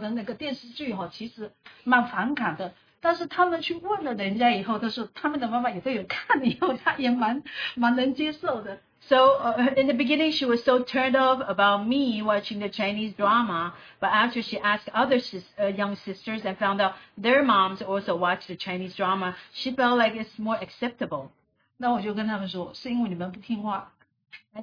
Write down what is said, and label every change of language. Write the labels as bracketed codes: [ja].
[zh] 哎呀，我其实他们其实刚开始的时候对我这个看中国的那个电视剧哈，其实蛮反感的。但是他们去问了人家以后，他说他们的妈妈也都有看以后，他也蛮能接受的。 [en] So in the beginning, she was so turned off about me watching the Chinese drama, but after she asked other young sisters and found out their moms also watch the Chinese drama, she felt like it's more acceptable. [zh] 那我就跟他们说，是因为你们不听话。 [en] I